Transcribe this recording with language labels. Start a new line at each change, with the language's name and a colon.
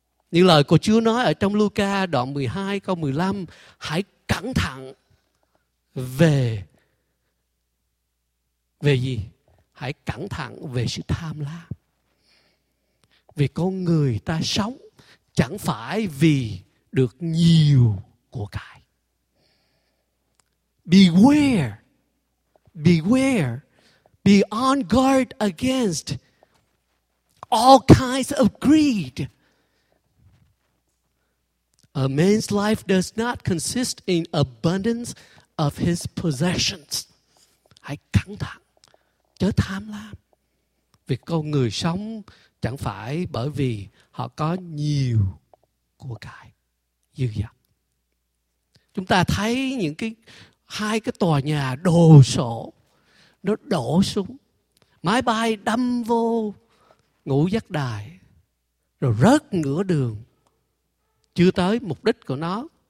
Vietnamese: Như lời của Chúa nói ở trong Luca đoạn 12 câu 15, hãy cẩn thận về gì? Hãy cẩn thận về sự tham lam. Vì con người ta sống chẳng phải vì được nhiều của cải.
English: Beware, beware, be on guard against all kinds of greed. A man's life does not consist in abundance of his possessions.
Vietnamese: Hãy cẩn thận, chớ tham lam. Vì con người sống chẳng phải bởi vì họ có nhiều của cải dư dật. Chúng ta thấy những cái hai cái tòa nhà đồ sộ, nó đổ xuống, máy bay đâm vô Ngũ Giác Đài rồi rớt ngửa đường, chưa tới mục đích của nó.